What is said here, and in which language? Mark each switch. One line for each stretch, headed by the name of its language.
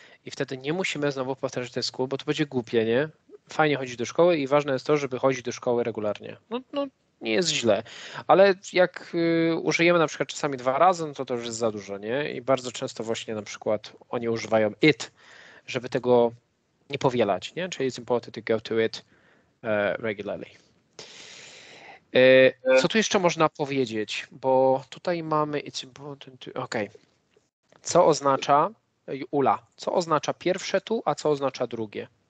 Polish: I wtedy nie musimy znowu powtarzać
English: to school,
Polish: bo to będzie głupie, nie? Fajnie chodzić do szkoły i ważne jest to, żeby chodzić do szkoły regularnie. No, no nie jest źle, ale jak użyjemy na przykład czasami dwa razy, no to już jest za dużo, nie? I bardzo często właśnie na przykład oni używają it, żeby tego nie powielać, nie? Czyli
English: it's important to go to it regularly.
Polish: Co tu jeszcze można powiedzieć? Bo tutaj mamy
English: it's important to...
Polish: Okej.
English: Okay.
Polish: Co oznacza, Ula, co oznacza pierwsze tu, a co oznacza drugie?